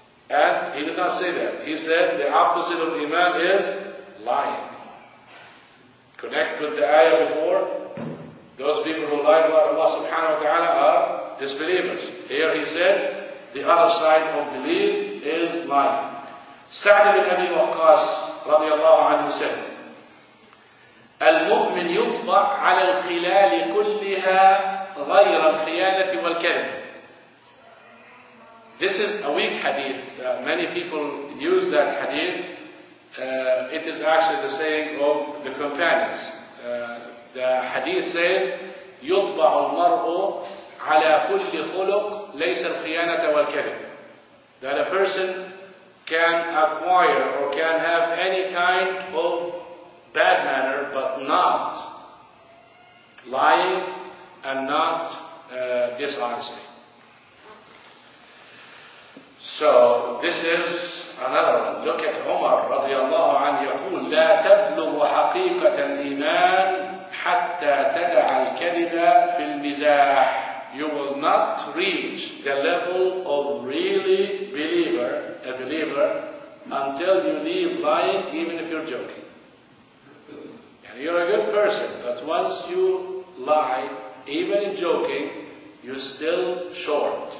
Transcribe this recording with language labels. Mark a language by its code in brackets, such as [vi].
[en] And he did not say that. He said the opposite of Iman is lying. Connect with the ayah before. Those people who lie about Allah subhanahu wa ta'ala are disbelievers. Here he said the other side of belief is lying. Sa'd ibn Abi Waqqas radiallahu anhu said, [ar] المؤمن يطبع على الخلال كلها غير الخيانة والكذب. [en] This is a weak hadith. Many people use that hadith. It is actually the saying of the companions. The hadith says, [ar] يطبع المرء على كل خلق ليس الخيانة والكذب. [en] That a person can acquire or can have any kind of bad manner, but not lying and not dishonesty. So this is another one. Look at Umar radiallahu anhu, [ar] يقول لا تبلغ حقيقة الإيمان حتى تدع الكذب في المزاح. [en] You will not reach the level of really believer, a believer, until you leave lying, even if you're joking. And you're a good person, but once you lie, even in joking, you're still short.